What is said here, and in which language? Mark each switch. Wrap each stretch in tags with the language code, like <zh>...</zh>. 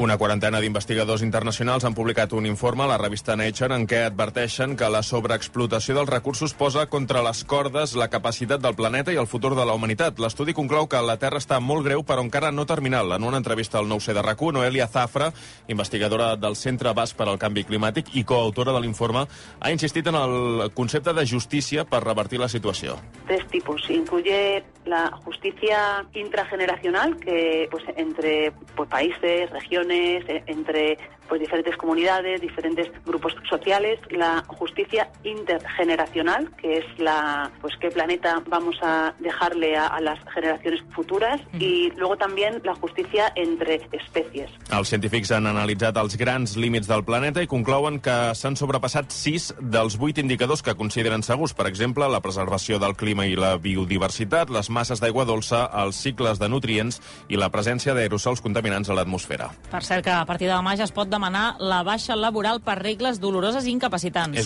<ca>Una quarantena d'investigadors internacionals han publicat un informe a la revista Nature en què adverteixen que la sobreexplotació dels recursos posa contra les cordes la capacitat del planeta i el futur de la humanitat. L'estudi conclou que la Terra està molt greu però encara no terminal. En una entrevista al 9C de RAC1, Noelia Zafra, investigadora del Centre Basc per al Canvi Climàtic i coautora de l'informe, ha insistit en el concepte de justícia per revertir la situació. Tres tipus.</ca> <es>Incluye la justícia intrageneracional, que pues, entre pues, países, regiones, entre pues diferentes comunidades, diferentes grupos sociales, la justicia intergeneracional, que es la, pues qué planeta vamos a dejarle a las generaciones futuras, y luego también la justicia entre especies.</es> <ca>Els científics han analitzat els grans límits del planeta i conclouen que s'han sobrepassat 6 dels 8 indicadors que consideren segurs, per exemple, la preservació del clima i la biodiversitat, les masses d'aigua dolça, els cicles de nutrients i la presència d'aerosols contaminants a l'atmosfera. Per cert, que a partir de demà ja es pot demanar la baixa laboral per regles doloroses i incapacitants.</ca>